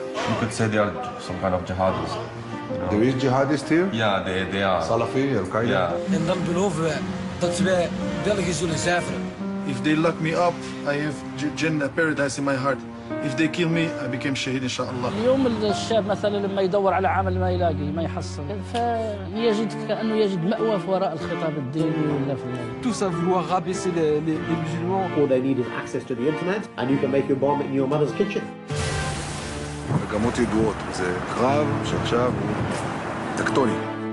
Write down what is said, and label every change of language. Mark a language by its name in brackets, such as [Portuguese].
[English] You could say they are some kind of jihadists. You know? There is jihadists here? Yeah, they are. Salafi, Al-Qaeda? Yeah. And then believe that we are going to go. If they lock me up, I have Jannah, paradise in my heart. If they kill me, I became shaheed, inshallah. [Arabic] اليوم الشاب مثلا لما يدور على عمل ما يلاقي ما يحصل فيجد كأنه يجد مأوى وراء الخطاب الديني ولا في [French] tout ça vouloir rabaisser les musulmans. [English] All they need is access to the internet and you can make your bomb in your mother's kitchen. [Hebrew] מגמות ידועות, זה קרב שעכשיו הוא טקטוני.